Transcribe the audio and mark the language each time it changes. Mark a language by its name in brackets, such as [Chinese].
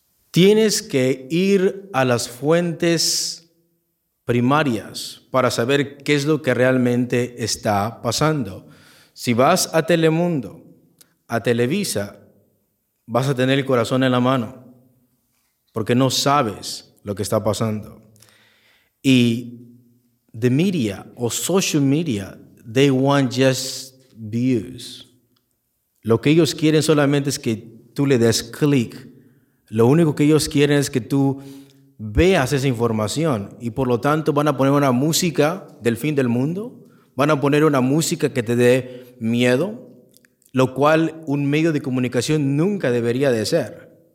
[Spanish] Tienes que ir a las fuentes primarias para saber qué es lo que realmente está pasando. Si vas a Telemundo, a Televisa, vas a tener el corazón en la mano, porque no sabes lo que está pasando. [English] Y the media o social media, they want just views. [Spanish] Lo que ellos quieren solamente es que tú le des clic. Lo único que ellos quieren es que tú veas esa información. Y por lo tanto van a poner una música del fin del mundo. Van a poner una música que te dé miedo. Lo cual un medio de comunicación nunca debería de ser.